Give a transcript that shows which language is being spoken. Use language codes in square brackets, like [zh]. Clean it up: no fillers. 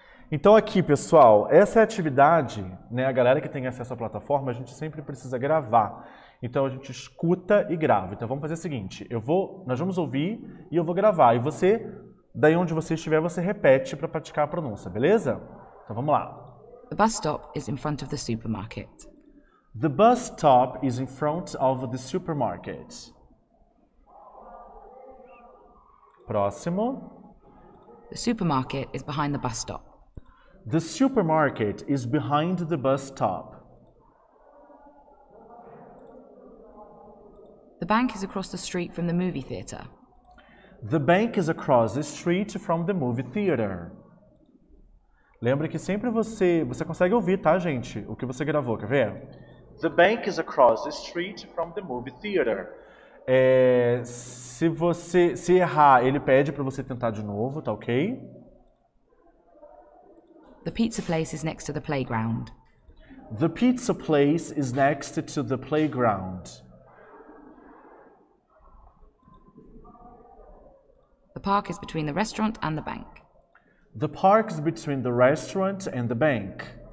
[pt] Então aqui, pessoal, essa é a atividade, né? A galera que tem acesso à plataforma, a gente sempre precisa gravar. Então a gente escuta e grava. Então vamos fazer o seguinte, nós vamos ouvir e eu vou gravar. E você, daí onde você estiver, você repete para praticar a pronúncia, beleza? Então vamos lá. [en] The bus stop is in front of the supermarket. The bus stop is in front of the supermarket. [pt] Próximo. [en] The supermarket is behind the bus stop. The supermarket is behind the bus stop. The bank is across the street from the movie theater. The bank is across the street from the movie theater. [pt] Lembra que sempre você consegue ouvir, tá, gente? O que você gravou, quer ver? [en] The bank is across the street from the movie theater. [pt] É, se errar, ele pede para você tentar de novo, tá ok? [en] The pizza place is next to the playground. The pizza place is next to the playground. The park is between the restaurant and the bank. The park is between the restaurant and the bank.